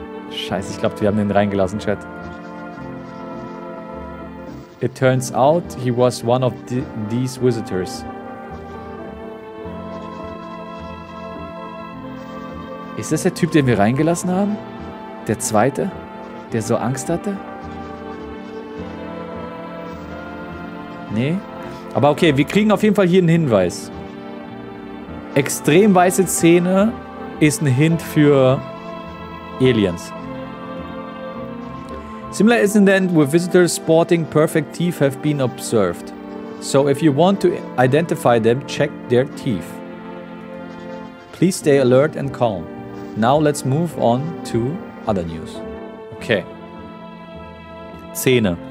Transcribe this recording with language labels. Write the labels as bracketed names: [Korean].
[German] Scheiße, ich glaube, wir haben den reingelassen, Chat. [English] It turns out he was one of these visitors. [German] Ist das der Typ, den wir reingelassen haben? Der zweite, der so Angst hatte? Nee? Aber okay, wir kriegen auf jeden Fall hier einen Hinweis. Extrem weiße Zähne ist ein Hint für Aliens. [English] Similar incident with visitors sporting perfect teeth have been observed. So if you want to identify them, check their teeth. Please stay alert and calm. Now let's move on to other news. Okay. [German] Zähne.